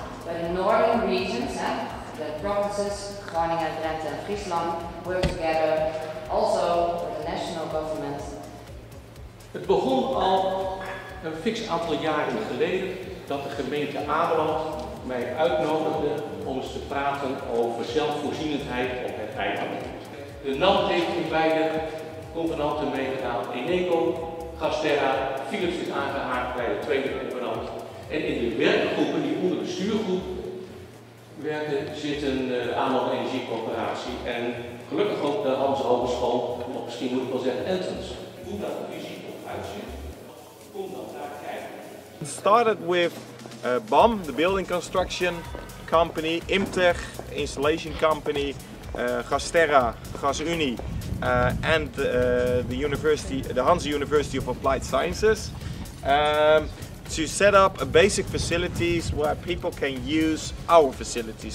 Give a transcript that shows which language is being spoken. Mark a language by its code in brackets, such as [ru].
[en] But in northern regions, the provinces, Groningen, Drenthe en Friesland, work together also with the national government. [nl] Het begon al een fix aantal jaren geleden dat de gemeente Ameland mij uitnodigde om eens te praten over zelfvoorzienendheid op het eiland. De NAM heeft in beide convenanten meegedaan. Eneco, Gasterra, Philips is aangehaakt bij de tweede convenant. En in de werkgroepen, die onder de stuurgroep werken, zit een Ameland Energiecoöperatie. En gelukkig ook de Hans Hogeschool, of misschien moet ik wel zeggen Entens. [en] It started with BAM, the building construction company, Imtech, installation company, Gasterra, GasUni, and the university, the Hansa University of Applied Sciences, to set up a basic facilities where people can use our facilities.